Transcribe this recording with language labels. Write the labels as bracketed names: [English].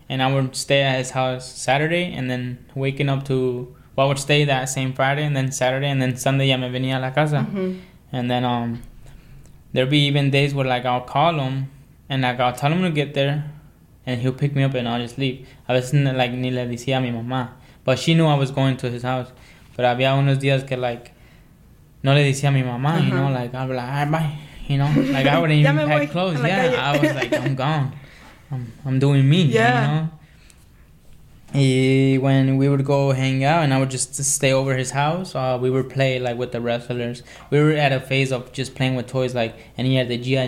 [English] And I would stay at his house Saturday, and then waking up to... Well, I would stay that same Friday, and then Saturday, and then Sunday, [Spanish] ya me venía a la casa. Mm-hmm. [English] And then there'd be even days where, like, I'll call him, and, like, I'll tell him to get there, and he'll pick me up, and I'll just leave. [Spanish] A veces, like, ni le decía a mi mamá. [English] But she knew I was going to his house. [Spanish] Pero había unos días que, like, no le decía a mi mamá, uh-huh. [English] You know? Like, I'd be like, all right, bye. You know? Like, I wouldn't even pack clothes. Yeah, [Spanish] calle. [English] I was like, I'm gone. I'm doing me, yeah. You know? When we would go hang out and I would just stay over his house, we would play, like, with the wrestlers. We were at a phase of just playing with toys, like, and he had the G.I.